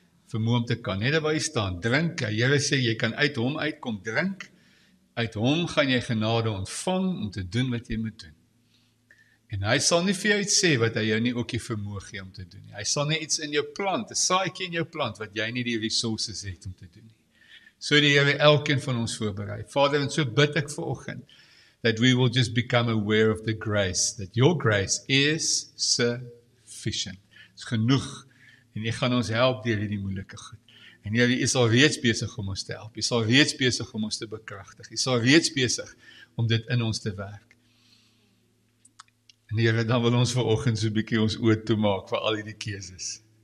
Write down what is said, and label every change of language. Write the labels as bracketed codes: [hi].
[af] Vermoë om te kan, net al waar jy staan, drink. Here sê, jy kan uit hom uitkom, drink. Uit hom gaan jy genade ontvang om te doen wat jy moet doen. En hy sal nie vir jou iets sê wat hy jou nie ook die vermoë gee om te doen nie. Hy sal nie iets in jou plant, 'n saaitjie in jou plant wat jy nie die resources het om te doen nie. So die Here elkeen van ons voorberei. Vader, en so bid ek vanoggend [en] that we will just become aware of the grace, that your grace is sufficient. [af] Is genoeg en jy gaan ons help deur hierdie moeilike goed. En jy is al reeds besig om ons te help. Jy is al reeds besig om ons te bekragtig. Jy is al reeds besig om dit in ons te werk. En Here, dan wil ons vanoggend so 'n bietjie ons oë toemaak vir al hierdie keuses.